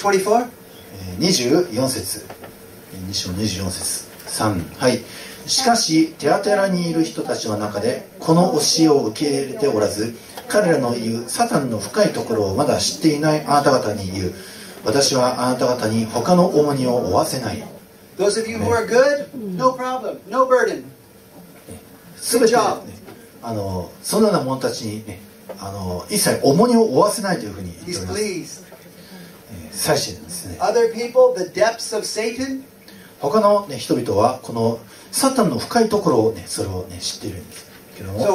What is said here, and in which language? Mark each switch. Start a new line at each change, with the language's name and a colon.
Japanese: 24節、2章24節3、はい、しかしテアテラにいる人たちの中でこの教えを受け入れておらず、彼らの言うサタンの深いところをまだ知っていないあなた方に言う、私はあなた方に他の重荷を負わせない。
English: Those of you who are good, no problem, no burden. Good job.
Japanese: そのような者たちに、ね、一切重荷を負わせないというふうに言っております。最初ですね、
English: Other people, the depths of Satan?
Japanese: 他の、ね、人々はこのサタンの深いところを、ね、それを、ね、知っているんですけども、